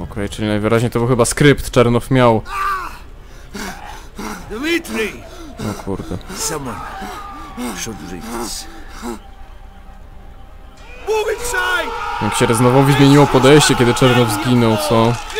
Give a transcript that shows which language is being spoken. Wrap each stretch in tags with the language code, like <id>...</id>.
<pl>Czyli najwyraźniej to był chyba skrypt, Czernow miał. Dmitry! O kurde.</pl> <en>Someone should leave this. Move inside!</en> <pl>Jak się Reznowowi zmieniło podejście, kiedy Czernow zginął, co?</pl>